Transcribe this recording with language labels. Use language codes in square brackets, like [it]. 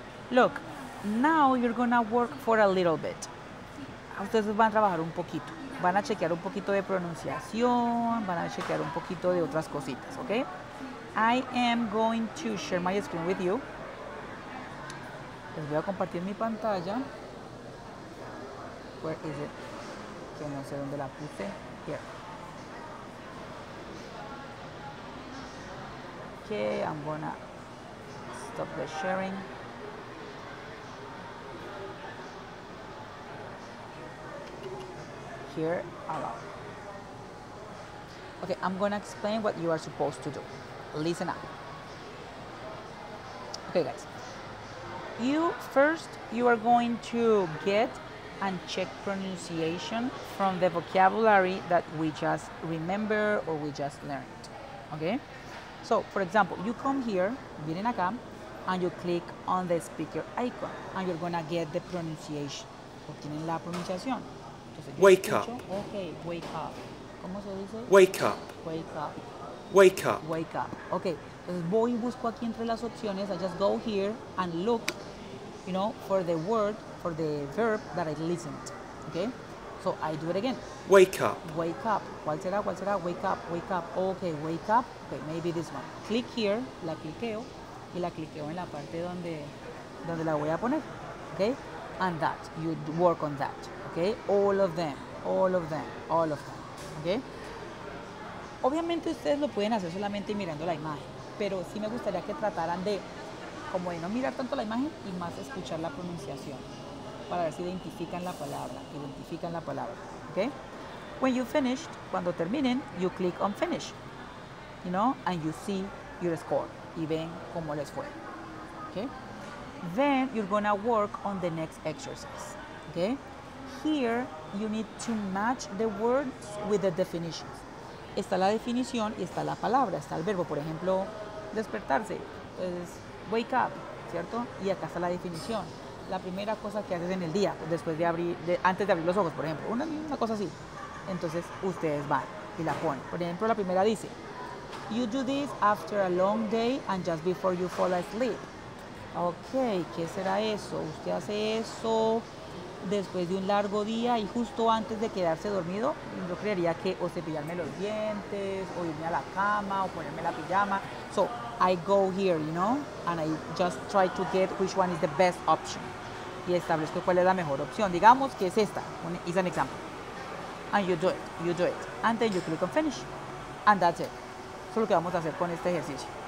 [en] Look, now you're gonna work for a little bit. [es] Ustedes van a trabajar un poquito. Van a chequear un poquito de pronunciación, van a chequear un poquito de otras cositas, okay? [en] I am going to share my screen with you. [es] Les voy a compartir mi pantalla. [en] Where is it? [es] Que no sé dónde la puse. [en] Here. Okay, I'm gonna stop the sharing. Here, allow. Okay, I'm gonna explain what you are supposed to do. Listen up. Okay, guys. You are going to get and check pronunciation from the vocabulary that we just remember or we just learned. Okay? So, for example, you come here, [es] vienen acá, [en] and you click on the speaker icon, and you're gonna get the pronunciation. [es] Obtienen la pronunciación. Entonces, wake escucho. Up. [en] Okay, wake up. [es] ¿Cómo se dice? [en] Wake up. Wake up. Wake up. Wake up. [es] Okay, entonces voy y busco aquí entre las opciones. [en] I just go here and look, you know, for the word, for the verb that I listened. Okay? So I do it again. Wake up. Wake up. [es] ¿Cuál será? ¿Cuál será? [en] Wake up. Wake up. Okay, wake up. Okay, maybe this one. Click here. [es] La cliqueo. Y la cliqueo en la parte donde la voy a poner. [en] Okay? And that. You work on that. Okay? All of them. All of them. All of them. Okay? [es] Obviamente ustedes lo pueden hacer solamente mirando la imagen. Pero sí me gustaría que trataran de, como de no mirar tanto la imagen y más escuchar la pronunciación. Para ver si identifican la palabra, identifican la palabra, okay? [en] When you finished, [es] cuando terminen, [en] you click on finish, you know, and you see your score, [es] y ven cómo les fue, [en] okay? Then you're gonna work on the next exercise, okay? Here, you need to match the words with the definitions. [es] Está la definición y está la palabra, está el verbo, por ejemplo, despertarse, es wake up, ¿cierto? Y acá está la definición. La primera cosa que haces en el día, después de abrir, antes de abrir los ojos, por ejemplo, una cosa así. Entonces, ustedes van y la ponen. Por ejemplo, la primera dice, [en] you do this after a long day and just before you fall asleep. [es] Ok, ¿qué será eso? Usted hace eso después de un largo día y justo antes de quedarse dormido. Yo creería que o cepillarme los dientes, o irme a la cama, o ponerme la pijama. [en] So, I go here, you know, and I just try to get which one is the best option. [es] Y establezco cuál es la mejor opción. Digamos que es esta. [en] Is an example. And you do it. You do it. And then you click on finish. And that's it. [es] Eso es lo que vamos a hacer con este ejercicio.